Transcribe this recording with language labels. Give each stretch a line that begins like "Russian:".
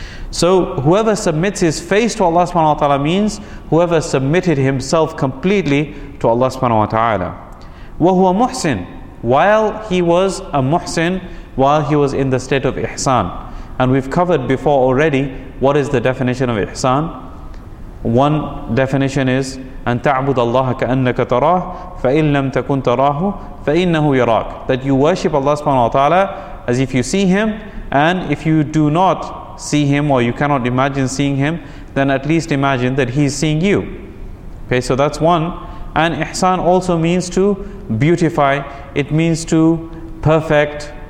English: So whoever submits his face to Allah subhanahu wa ta'ala means whoever submitted himself completely to Allah subhanahu wa ta'ala.
Arabic: وَهُوَ مُحْسِن.
English: While he was a muhsin, while he was in the state of ihsan. And we've covered before already, what is the definition of ihsan? One definition is,
Arabic: أَن تَعْبُدَ اللَّهَ كَأَنَّكَ تَرَاهُ فَإِن لَمْ تَكُن تَرَاهُ فَإِنَّهُ يَرَاكُ.
English: That you worship Allah subhanahu wa ta'ala as if you see him, and if you do not see him or you cannot imagine seeing him, then at least imagine that he is seeing you. Okay, so that's one. And ihsan also means to beautify. It means to perfect.